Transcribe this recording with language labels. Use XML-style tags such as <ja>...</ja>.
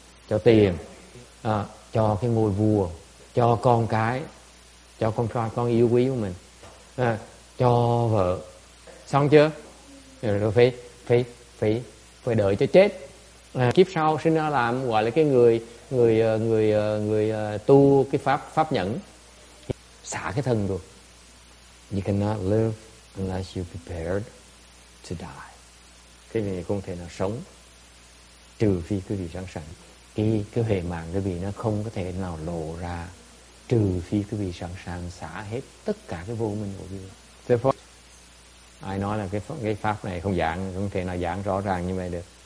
<vi>Cho tiền, cho cái ngôi vua, cho con cái, cho con trai con yêu quý của mình, cho vợ. Xong chưa? Rồi phải đợi cho chết. Kiếp sau sinh ra làm gọi là cái người tu cái pháp nhẫn. xả cái thân được.</vi> <en>You cannot live unless you're prepared to die.</en> <vi>Quý vị không thể nào sống trừ phi quý vị sẵn sàng. Cái huệ mạng quý vị nó không có thể nào lộ ra trừ phi quý vị sẵn sàng xả hết tất cả cái vô minh của quý vị. Ai nói là cái pháp này không giảng, không thể nào giảng rõ ràng như vậy được.</vi>